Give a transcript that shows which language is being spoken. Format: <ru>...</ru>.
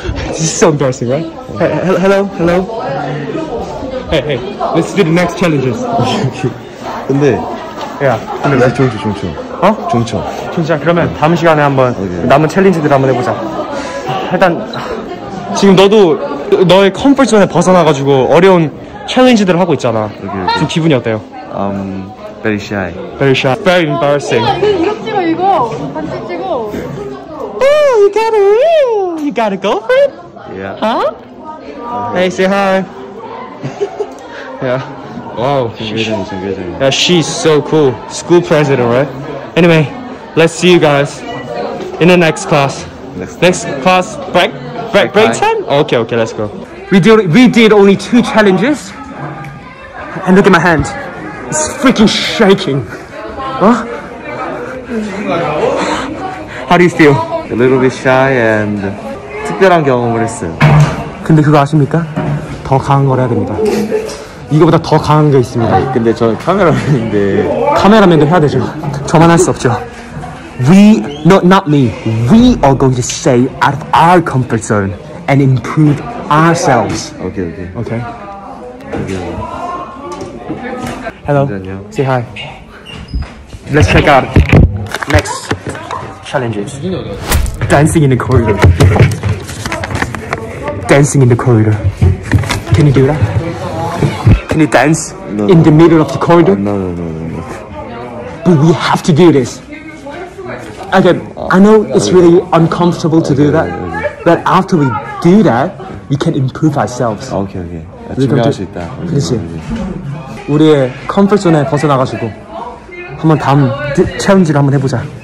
<en>This is so embarrassing, right? Hello. Hey. Let's do the next challenges.</en> <ko>근데 야, 근데 왜 종청? 어? 종청. 진짜 그러면 다음 시간에 한번 남은 챌린지들 한번 해보자. 일단 지금 너도 너의 컴포트존에 벗어나가지고 어려운 챌린지들을 하고 있잖아. 지금 기분이 어때요?</ko> <en>Very shy. Very embarrassing.</en> <ko>이거 찍어. 반지 찍어.</ko> <en>Oh, you got a girlfriend? Yeah. Huh? Hey, say hi. Yeah. Wow. Yeah, she's so cool. School president, right? Anyway, let's see you guys in the next class. Next class. Break time? Okay, let's go. We did only two challenges. And look at my hand. It's freaking shaking. Huh? How do you feel? A little bit shy and</en> <ko>특별한 경험을 했어요. 근데 그거 아십니까? 더 강한 걸 해야 됩니다. 이거보다 더 강한 게 있습니다. 아니, 근데 저는 카메라맨인데. 카메라맨도 해야 되죠. 저만 할 수 없죠.</ko> <en>We, no, not me. We are going to stay out of our comfort zone and improve ourselves. Okay, okay. Okay. Hello. Say hi. Let's check out next challenges. Dancing in the corridor. Dancing in the corridor. Can you do that? Can you dance in the middle of the corridor? No. But we have to do this. Okay, I know it's really uncomfortable to do that, but after we do that, we can improve ourselves.</en> <ko>Okay. 준비할 수 있다. 그렇지. 우리의 comfort zone에 벗어나가지고 한번 다음 challenge를 한번 해보자.</ko>